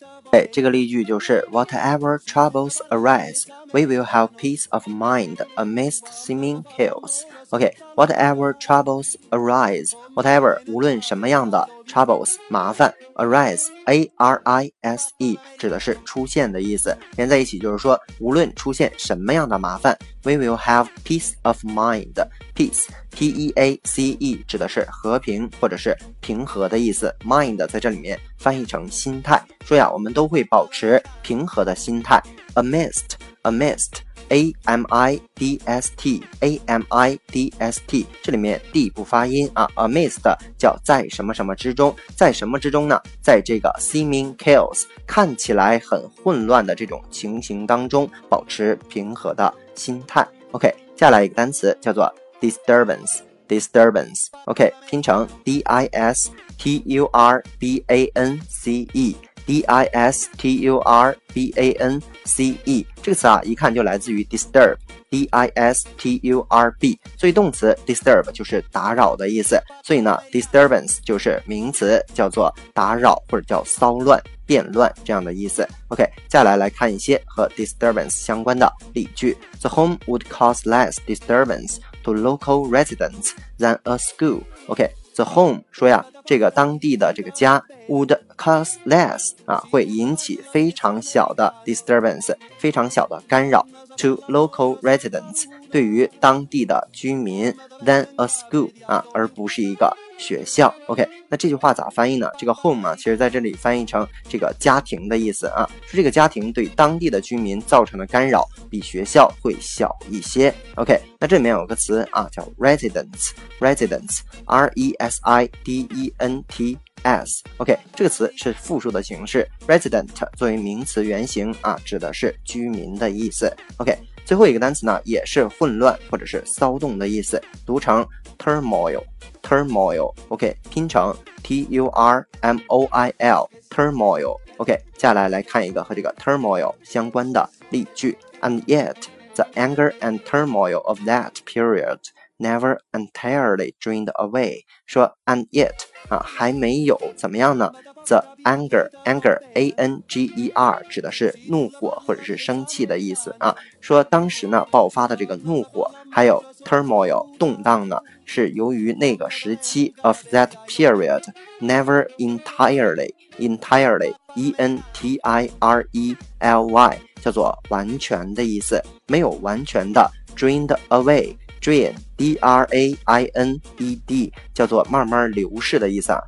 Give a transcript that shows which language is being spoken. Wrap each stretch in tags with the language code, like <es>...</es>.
<zh>哎，这个例句就是</zh> <en>Whatever troubles arise, we will have peace of mind amidst seeming chaos. OK, whatever troubles arise, whatever,</en> <zh>无论什么样的</zh> <en>troubles,</en> <zh>麻烦</zh> <en>arise, A-R-I-S-E,</en> <zh>指的是出现的意思。连在一起就是说无论出现什么样的麻烦</zh> <en>we will have peace of mind,</en> <zh>peace, P-E-A-C-E, 指的是和平或者是平和的意思。 mind 在这里面翻译成心态，说呀我们都会保持平和的心态。</zh> <en>amidst, amidst, A-M-I-D-S-T, A-M-I-D-S-T,</en> <zh>这里面</zh> <en>D</en> <zh>不发音啊。 amidst 叫在什么什么之中，在什么之中呢？在这个</zh> <en>seeming chaos,</en> <zh>看起来很混乱的这种情形当中保持平和的心态。 OK, 接下来一个单词叫做 disturbance,disturbance, OK, 拼成 D-I-S-T-U-R-B-A-N-C-E, D-I-S-T-U-R-B-A-N-C-E, 这个词啊一看就来自于 disturb, D-I-S-T-U-R-B, 所以动词 disturb 就是打扰的意思，所以呢 disturbance 就是名词，叫做打扰或者叫骚乱变乱这样的意思。 OK, 再来来看一些和 disturbance 相关的例句。</zh> <en>The home would cause less disturbance to local residents than a school.</en> <zh>OK, the home 说呀这个当地的这个家</zh> <en>would cause less、</en> <zh>啊、会引起非常小的 disturbance, 非常小的干扰</zh> <en>to local residents,</en> <zh>对于当地的居民</zh> <en>than a school,、</en> <zh>啊、而不是一个学校。 OK, 那这句话咋翻译呢？这个 home、啊、其实在这里翻译成这个家庭的意思啊，说这个家庭对当地的居民造成的干扰比学校会小一些。 OK, 那这里面有个词啊叫 residence, residence, R-E-S-I-D-E-N-T-S, OK, 这个词是复数的形式， resident 作为名词原型啊，指的是居民的意思。 OK, 最后一个单词呢也是混乱或者是骚动的意思，读成turmoil, turmoil, OK, 拼成 T-U-R-M-O-I-L, turmoil, OK, 接下来来看一个和这个 turmoil 相关的例句。</zh> <en>And yet, the anger and turmoil of that period never entirely drained away,</en> <zh>说</zh> <en>and yet,、啊、</en> <zh>还没有怎么样呢？</zh> <en>The anger, anger, A-N-G-E-R,</en> <zh>指的是怒火或者是生气的意思啊。说当时呢爆发的这个怒火还有 turmoil, 动荡呢，是由于那个时期</zh> <en>of that period never entirely,</en> <zh>entirely, E-N-T-I-R-E-L-Y, 叫做完全的意思，没有完全的</zh> <en>drained away,</en> <zh>drain, D-R-A-I-N-E-D, 叫做慢慢流逝的意思啊。</zh>